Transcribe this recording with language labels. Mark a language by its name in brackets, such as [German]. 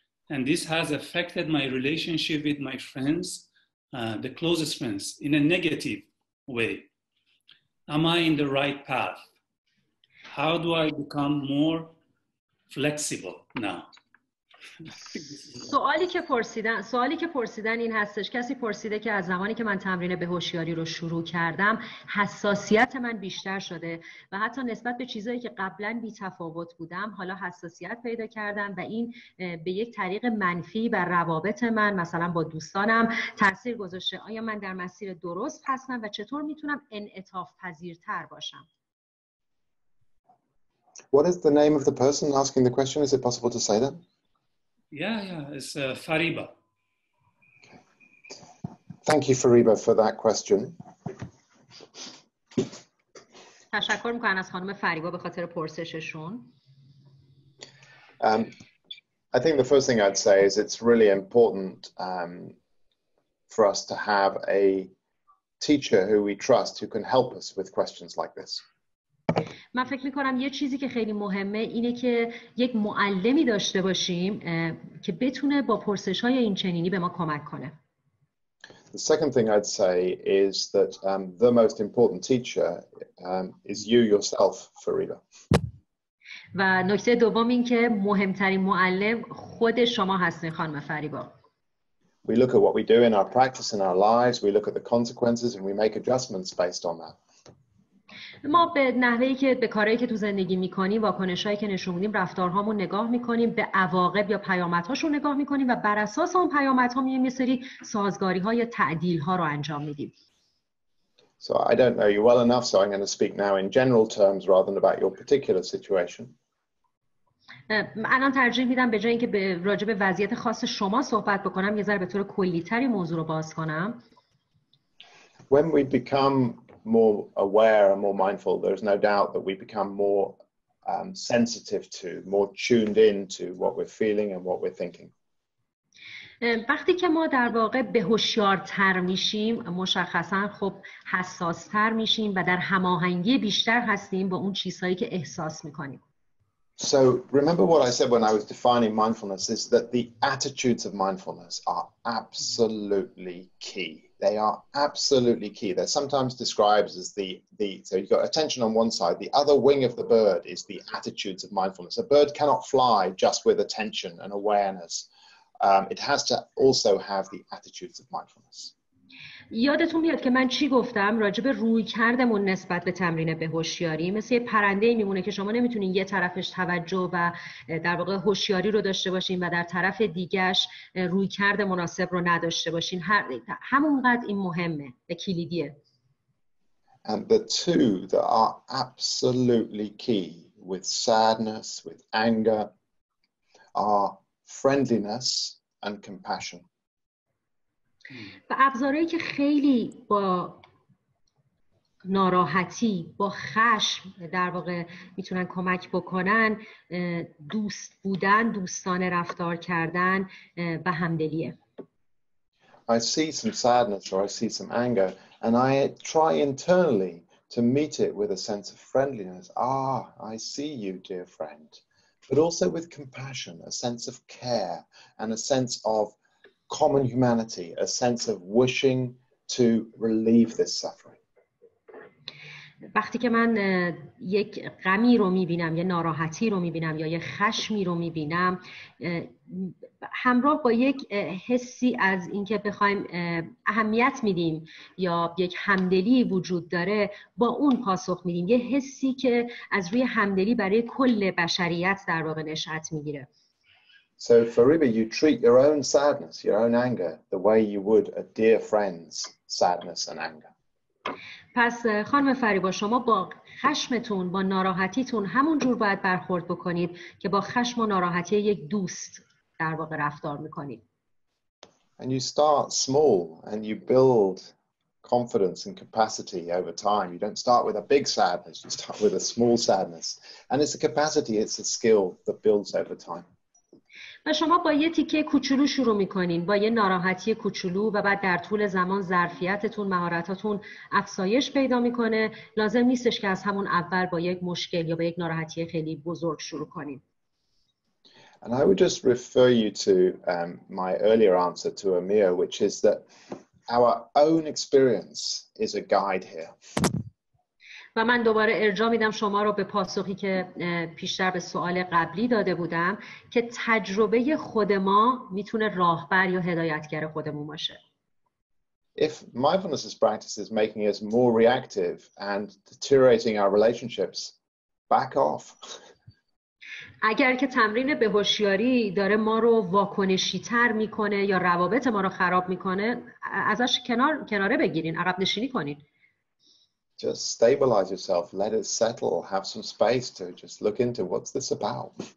[English] And this has affected my relationship with my friends, the closest friends, in a negative way. Am I in the right path? How do I become more flexible now? [Persian] سوالی که پرسیدن این هستش، کسی پرسیده که از زمانی که من تمرین به هوشیاری رو شروع کردم حساسیت من بیشتر شده و حتی نسبت به چیزایی که قبلا بی تفاوت بودم حالا حساسیت پیدا کردم و این به یک طریق منفی بر روابط من مثلا با دوستانم تاثیر گذاشته. آیا من در مسیر درست هستم و چطور میتونم انعطاف پذیرتر باشم؟ [English] What is the name of the person asking the question? Is it possible to say that? Yeah, it's Fariba. Okay. Thank you, Fariba, for that question. [Persian] تشکر می‌کنم از خانم فریبا به خاطر پرسششون. [English] I think the first thing I'd say is it's really important for us to have a teacher who we trust who can help us with questions like this. [Persian] من فکر می‌کنم یه چیزی که خیلی مهمه اینه که یک معلمی داشته باشیم که بتونه با پرسش‌های این چنینی به ما کمک کنه. [English] The second thing I'd say is that the most important teacher is you yourself, Fariba. [Persian] و نکته دوم این که مهمترین معلم خود شما هستین خانم فریبا. [English] We look at what we do in our practice and our lives, we look at the consequences and we make adjustments based on that. [Persian] ما به نحوهی که به کارهایی که تو زندگی میکنیم واکنشهایی که نشون میدیم رفتارهامون نگاه میکنیم به عواقب یا پیامدهاشون نگاه میکنیم و بر اساس اون پیامدها میایم یه سری سازگاری ها یا تعدیل ها رو انجام میدیم. [English] So I don't know you well enough, so I'm going to speak now in general terms rather than about your particular situation. [Persian] الان ترجیح میدم به جای اینکه راجع به وضعیت خاص شما صحبت بکنم یه ذره به طور کلی‌تری موضوع رو باز کنم. [English] When we become more aware and more mindful, there's no doubt that we become more sensitive to, more tuned in to what we're feeling and what we're thinking. [Persian] وقتی که ما در واقع به هوشیارتر میشیم مشخصا خب حساستر میشیم و در هماهنگی بیشتر هستیم با اون چیزهایی که احساس میکنیم. [English] So remember what I said when I was defining mindfulness is that the attitudes of mindfulness are absolutely key. They are absolutely key. They're sometimes described as the so you've got attention on one side, the other wing of the bird is the attitudes of mindfulness. A bird cannot fly just with attention and awareness. It has to also have the attitudes of mindfulness. [Persian] یادتون میاد که من چی گفتم راجع به رویکردمون نسبت به تمرین به هوشیاری؟ مثل یه پرنده‌ای میمونه که شما نمیتونین یه طرفش توجه و در واقع هوشیاری رو داشته باشین و در طرف دیگه‌اش رویکرد مناسب رو نداشته باشین. همونقدر این مهمه و کلیدیه. [English] And the two that are absolutely key with sadness, with anger, are friendliness and compassion. [Persian] و ابزارهایی که خیلی با ناراحتی، با خشم در واقع میتونن کمک بکنن دوست بودن، دوستانه رفتار کردن و همدلیه. [English] I see some sadness or I see some anger and I try internally to meet it with a sense of friendliness. Ah, I see you, dear friend. But also with compassion, a sense of care and a sense of common humanity, a sense of wishing to relieve this suffering. [Persian] وقتی که من یک غمی رو میبینم یا ناراحتی رو میبینم یا یه خشمی رو میبینم همراه با یک حسی از اینکه بخوایم اهمیت میدیم یا یک همدلی وجود داره با اون پاسخ میدیم، یه حسی که از روی همدلی برای کل بشریت در واقع نشأت میگیره. [English] So Fariba, you treat your own sadness, your own anger, the way you would a dear friend's sadness and anger. [Persian] پس خانم فریبا شما با خشمتون، با ناراحتیتون همون جور باید برخورد بکنید که با خشم و ناراحتی یک دوست در واقع رفتار میکنید. [English] And you start small and you build confidence and capacity over time. You don't start with a big sadness, you start with a small sadness. And it's a capacity, it's a skill that builds over time. [Persian] و شما با یه تیکه کوچولو شروع میکنین، با یه ناراحتی کوچولو و بعد در طول زمان ظرفیتتون، مهارتاتون افزایش پیدا میکنه. لازم نیستش که از همون اول با یک مشکل یا با یک ناراحتی خیلی بزرگ شروع کنین. [English] And I would just refer you to my earlier answer to Amir, which is that our own experience is a guide here. [Persian] و من دوباره ارجاع میدم شما رو به پاسخی که پیشتر به سوال قبلی داده بودم که تجربه خود ما میتونه راهبر یا هدایتگر خودمون باشه. [English] If mindfulness practice is making us more reactive and deteriorating our relationships, back off. [Persian] اگر که تمرین به هوشیاری داره ما رو واکنشی تر میکنه یا روابط ما رو خراب میکنه ازش کناره بگیرین، عقب نشینی کنین. [English] Just stabilize yourself, let it settle, have some space to just look into what's this about.